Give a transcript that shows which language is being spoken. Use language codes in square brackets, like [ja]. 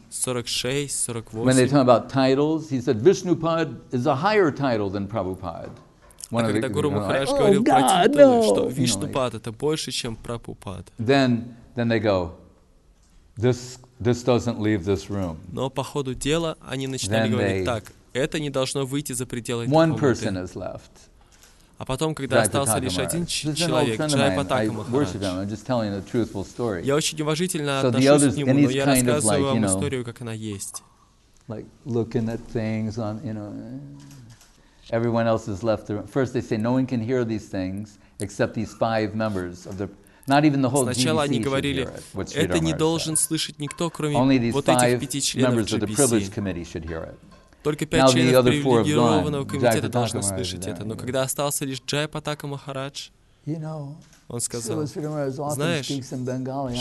[en] 46, 48. When they talk about titles, he said, Vishnupad is a higher title than Prabhupada. One of the [ru] Guru Maharaj говорил про титулы, что Вишнупад это больше, чем Прабхупад. [en] Then they go, this doesn't leave this room. [ru] Но по ходу дела они начинали говорить так: это не должно выйти за пределы этой комнаты. [en] One person has left. [ru] А потом, когда остался лишь один человек, Джайпатака Махарадж. Я очень уважительно отношусь к нему, но я рассказываю вам историю, как она есть. [en] Everyone else has left the room. First they say no one can hear these things except these five members of the not even the whole [ru] Сначала они говорили, это не должен слышать никто, кроме вот этих пяти членов [en] of the privilege committee should hear it. [ru] Только пять членов привилегированного комитета должны слышать это. Но когда остался лишь Джайапатака Махарадж, он сказал, знаешь,